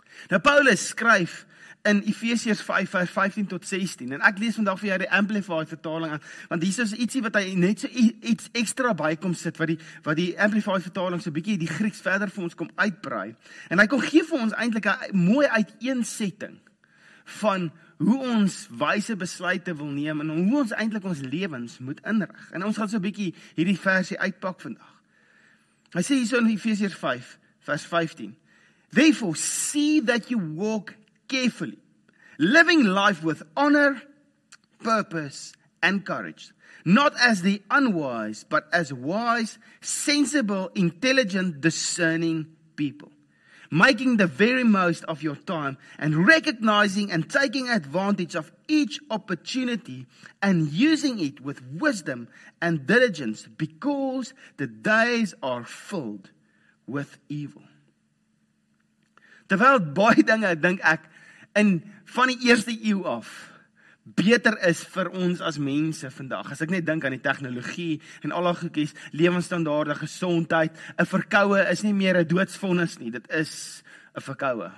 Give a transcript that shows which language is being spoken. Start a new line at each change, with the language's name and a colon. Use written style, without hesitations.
Afrikaans: Nou Paulus skryf in Efesiërs 5 vers 15 tot 16, en ek lees vandag vir jou die Amplified vertaling aan, want hier is ietsie wat hy net so iets ekstra bykom sit, wat die Amplified vertaling so bietjie die Grieks verder vir ons kom uitbrei, en hy kom gee vir ons eintlik 'n mooi uiteensetting van hoe ons wyse besluite wil neem en hoe ons eintlik ons lewens moet inrig. En ons gaan so 'n bietjie hierdie versie uitpak vandag. Hy sê hierso in Efesiërs 5 vers 15.
English: Therefore see that you walk carefully, living life with honor, purpose and courage, not as the unwise, but as wise, sensible, intelligent, discerning people. Making the very most of your time and recognizing and taking advantage of each opportunity and using it with wisdom and diligence because the days are filled with evil.
Afrikaans: Terwyl baie dinge, dink ek, in van die eerste eeu af beter is vir ons as mense vandag. As ek net dink aan die tegnologie en al die goedjies, lewensstandaarde, gesondheid, 'n verkoue is nie meer 'n doodsvonnis nie, dit is 'n verkoue.